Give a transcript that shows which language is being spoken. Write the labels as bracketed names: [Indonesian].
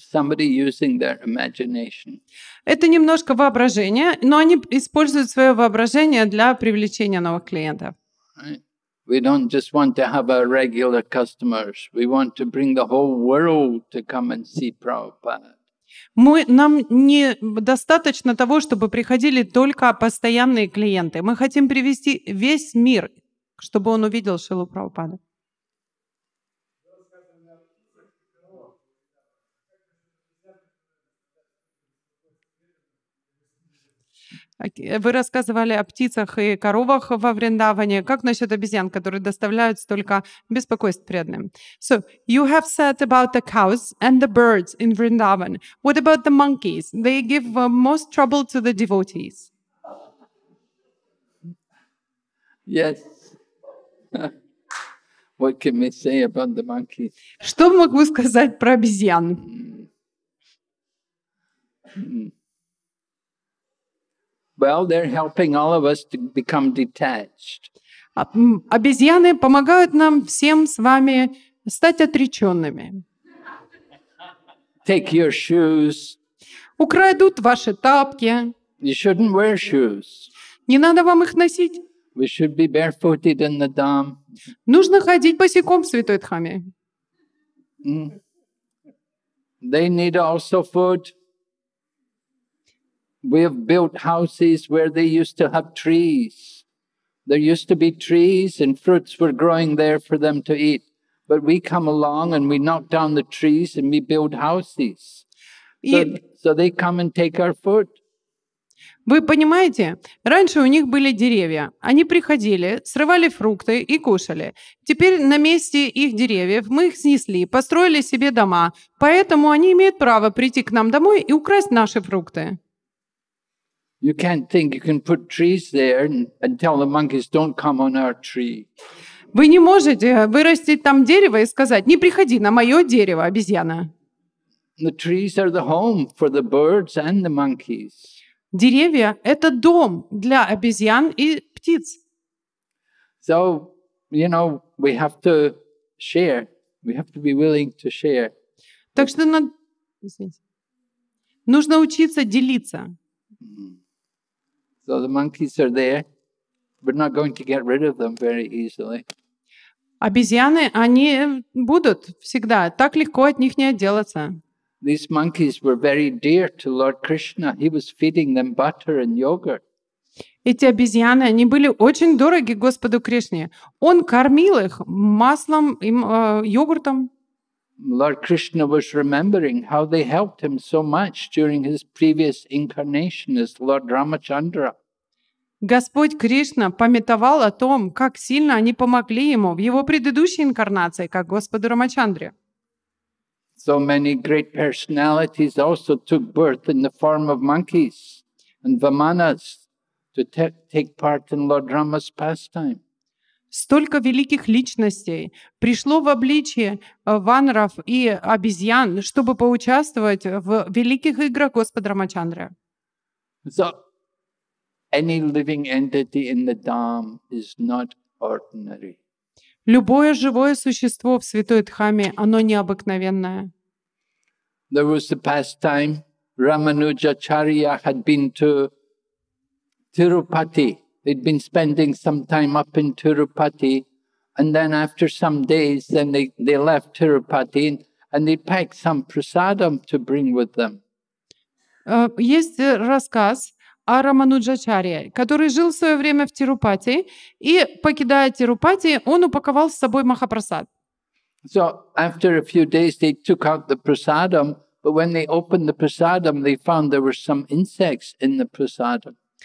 [English] Somebody using their imagination. [Russian] Это немножко воображение, но они используют свое воображение для привлечения новых клиентов. [English] Right. We don't just want to have our regular customers. We want to bring the whole world to come and see Prabhupada. [Russian] Нам недостаточно того, чтобы приходили только постоянные клиенты. Мы хотим привести весь мир, чтобы он увидел Шрилу Прабхупаду. Вы рассказывали о птицах и коровах во Вриндаване. Как насчет обезьян, которые доставляют столько беспокойств преданным? [English] So, you have said about the cows and the birds in Vrindavan. What about the monkeys? They give most trouble to the devotees. Yes. What can we say about the monkeys? [Russian] Что могу сказать про обезьян? [English] Well, they're helping all of us to become detached. [Russian] Обезьяны помогают нам всем с вами стать отреченными. [English] Take your shoes. [Russian] Украдут ваши тапки. [English] You shouldn't wear shoes. [Russian] Не надо вам их носить. [English] We should be barefooted in the dham. [Russian] Нужно ходить босиком в Святой Дхаме. [English] They need also food. We have built houses where they used to have trees. There used to be trees and fruits were growing there for them to eat. But we come along and we knock down the trees and we build houses. So they come and take our food. [Russian] Вы понимаете, раньше у них были деревья. Они приходили, срывали фрукты и кушали. Теперь на месте их деревьев мы их снесли, построили себе дома. Поэтому они имеют право прийти к нам домой и украсть наши фрукты. [English] You can't think you can put trees there and tell the monkeys don't come on our tree. [Russian] Вы не можете вырастить там дерево и сказать: "Не приходи на моё дерево, обезьяна". [English] The trees are the home for the birds and the monkeys. [Russian] Деревья это дом для обезьян и птиц. [English] So, you know, we have to share. We have to be willing to share. [Russian] Так что нужно учиться делиться. [English] So the monkeys are there. We're not going to get rid of them very easily. [Russian] Обезьяны, они будут всегда. Так легко от них не отделаться. [English] These monkeys were very dear to Lord Krishna. He was feeding them butter and yogurt. [Russian] Эти обезьяны, они были очень дороги Господу Кришне. Он кормил их маслом и йогуртом. [English] Lord Krishna was remembering how they helped him so much during his previous incarnation as Lord Ramachandra. [Russian] Господь Кришна памятовал о том, как сильно они помогли ему в его предыдущей инкарнации, как Господу Рамачандре. [English] So many great personalities also took birth in the form of monkeys and vamanas to take part in Lord Rama's pastime. [Russian] Столько великих личностей пришло в обличье ванров и обезьян, чтобы поучаствовать в великих играх Господа Рамачандры. [English] So, any living entity in the Dham is not ordinary. [Russian] Любое живое существо в Святой Дхаме, оно необыкновенное. [English] There was a pastime Рамануджачарья had been to Тирупати. They'd been spending some time up in Tirupati, and then after some days, then they left Tirupati and they packed some prasadam to bring with them. [Russian] Есть рассказ о Рамануджачарье, который жил в свое время в Тирупати, и, покидая Тирупати, он упаковал с собой Махапрасад. [English] So after a few days they took out the prasadam, but when they opened the prasadam, they found there were some insects in the prasadam.